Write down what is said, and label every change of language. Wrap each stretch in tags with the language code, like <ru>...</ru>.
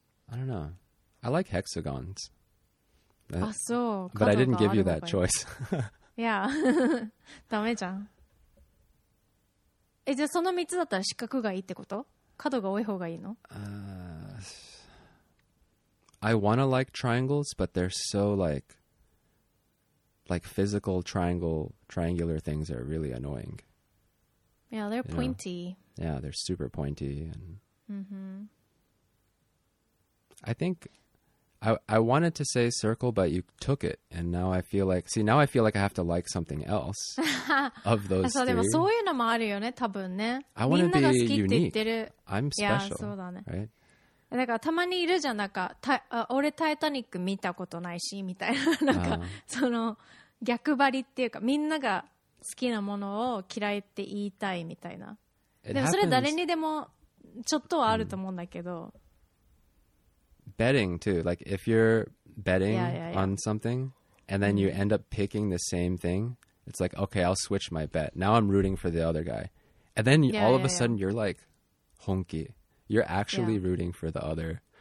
<en>I don't know. I like hexagons.</en> <ja>あ、そう。</ja> <en>But I didn't give you that choice.</en> <ja>Yeah. ダメじゃん。え、じゃあその3つだったら四角がいいってこと? 角が多い方がいいの?</ja> <en>I wanna like triangles, but they're so like physical triangular things are really annoying. Yeah, they're pointy. Yeah, they're super pointy. And mm-hmm. I think I wanted to say circle, but you took it. And now I feel like, see, now I feel like I have to like something else of those</en> <ja>そう、</ja> <en>three.</en> <ja>そういうのもあるよね、多分ね。</ja> <en>I want to be unique. I'm special. Yeah, そうだね。 Right?</en> <ja>なんかたまにいるじゃん、なんか俺タイタニック見たことないしみたいな、なんかその逆張りっていうか、みんなが好きなものを嫌いって言いたいみたいな。でもそれ誰にでもちょっとはあると思うんだけど、</ja> <en>betting too, like if you're betting on something and then you end up picking the same thing, it's like okay, I'll switch my bet, now I'm rooting for the other guy, and then all of a sudden you're like 本気You're actually rooting for the other.</en>